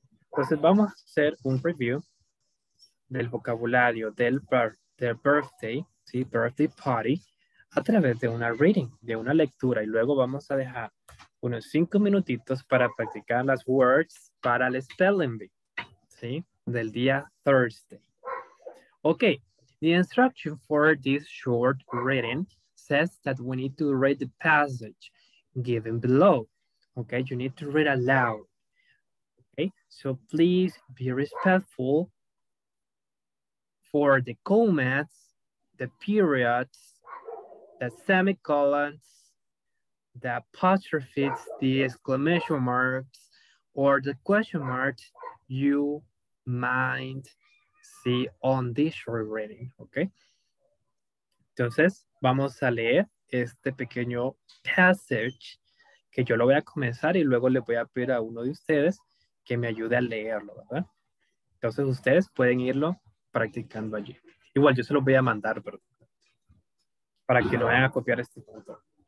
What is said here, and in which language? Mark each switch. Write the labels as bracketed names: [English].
[Spanish] Entonces vamos a hacer un review del vocabulario del birthday, ¿sí? Birthday party, a través de una reading, de una lectura. Y luego vamos a dejar unos 5 minutitos para practicar las words para el spelling bee, ¿sí? Del día Thursday. [English] Ok, the instruction for this short reading says that we need to read the passage given below. Okay, you need to read aloud. Okay, so please be respectful for the commas, the periods, the semicolons, the apostrophes, the exclamation marks, or the question marks you might see on this short reading. [Spanish] Okay, entonces vamos a leer este pequeño passage que yo lo voy a comenzar y luego le voy a pedir a uno de ustedes que me ayude a leerlo, ¿verdad? Entonces ustedes pueden irlo practicando allí. Igual yo se los voy a mandar, pero para que no vayan a copiar este punto.